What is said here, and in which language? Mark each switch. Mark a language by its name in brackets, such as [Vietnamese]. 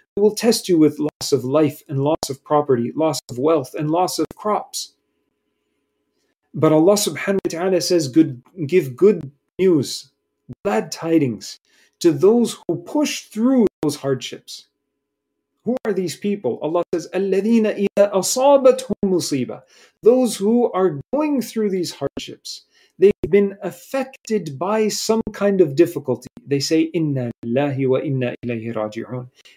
[English] We will test you with loss of life and loss of property, loss of wealth and loss of crops. But Allah subhanahu wa ta'ala says, give good news, glad tidings to those who push through those hardships. Who are these people? Allah says, [Arabic] الَّذِينَ إِذَا أَصَابَتْهُمْ مُصِيبَةٌ. [English] Those who are going through these hardships, they've been affected by some kind of difficulty. They say, [Arabic] إِنَّا لِلَّهِ وَإِنَّا إِلَيْهِ رَاجِعُونَ.